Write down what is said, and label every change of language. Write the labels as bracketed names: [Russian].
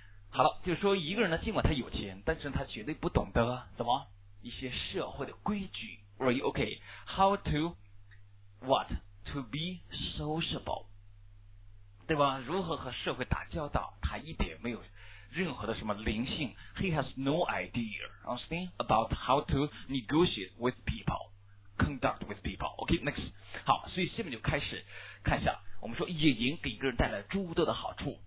[Chinese] 好了，就是说一个人呢，尽管他有钱，但是他绝对不懂得怎么。一些社会的规矩 ，right？ [English] OK， how to what to be sociable， [Chinese] 对吧？如何和社会打交道？他一点没有任何的什么灵性。 [English] He has no idea, understand about how to negotiate with people, conduct with people. OK, next， [Chinese] 好，所以下面就开始看一下。我们说野营给一个人带来诸多的好处。